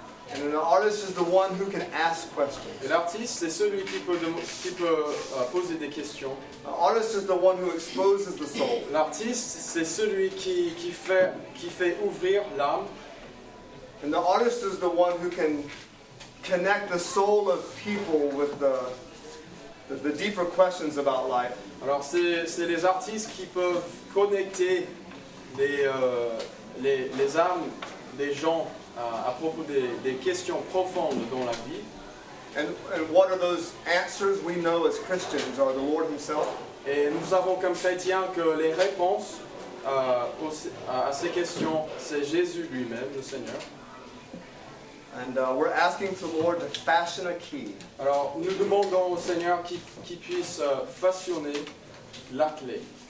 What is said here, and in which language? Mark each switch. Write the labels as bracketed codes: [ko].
[en] And an artist is the one who can ask questions. [fr] Et l'artiste, c'est celui qui peut poser des questions. [en] The artist is the one who exposes the soul. [fr] L'artiste, c'est celui qui fait ouvrir l'âme. [en] And the artist is the one who can connect the soul of people with the deeper questions about life. [fr] Alors c'est les artistes qui peuvent connecter les âmes des gens à propos des questions profondes dans la vie. [en] And what are those answers we know as Christians are the Lord himself? [fr] Et nous avons comme chrétiens que les réponses à ces questions, c'est Jésus lui-même, le Seigneur. [en] And we're asking the Lord to fashion a key. [fr] Alors, nous demandons au Seigneur qui puisse façonner la clé.